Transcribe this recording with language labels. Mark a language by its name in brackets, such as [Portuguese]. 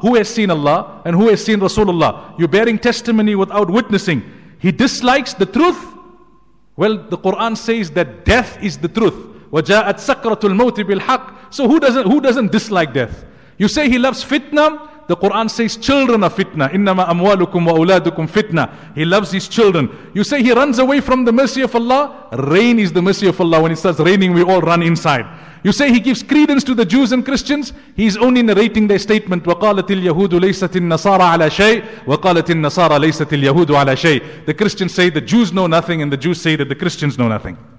[English] Who has seen Allah and who has seen Rasulullah? You're bearing testimony without witnessing. He dislikes the truth. Well, the Quran says that death is the truth. [Arabic] وَجَاءَتْ سَكْرَةُ الْمَوْتِ بِالْحَقِّ. [English] So who doesn't dislike death? You say he loves fitna. The Quran says children are fitna. [Arabic] إِنَّمَا أَمْوَالُكُمْ وَأُولَادُكُمْ fitna. [English] He loves his children. You say he runs away from the mercy of Allah. Rain is the mercy of Allah. When it starts raining, we all run inside. You say he gives credence to the Jews and Christians. He's only narrating their statement. [Arabic] وَقَالَتِ الْيَهُودُ لَيْسَتِ النَّصَارَ عَلَى شَيْءٍ وَقَالَتِ النَّصَارَ لَيْسَتِ الْيَهُودُ عَلَى شَيْءٍ. [English] The Christians say the Jews know nothing, and the Jews say that the Christians know nothing.